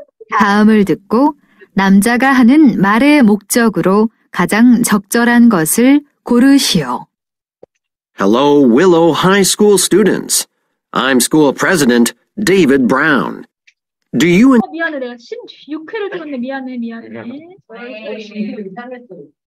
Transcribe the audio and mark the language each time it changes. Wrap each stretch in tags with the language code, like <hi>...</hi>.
<ko>다음을 듣고 남자가 하는 말의 목적으로 가장 적절한 것을 고르시오</ko> <en>Hello Willow High School students I'm school president David Brown Do you</en> <ko>미안해 내가 16회를 들었네 미안해 이상했어 이상해 이상했어</ko>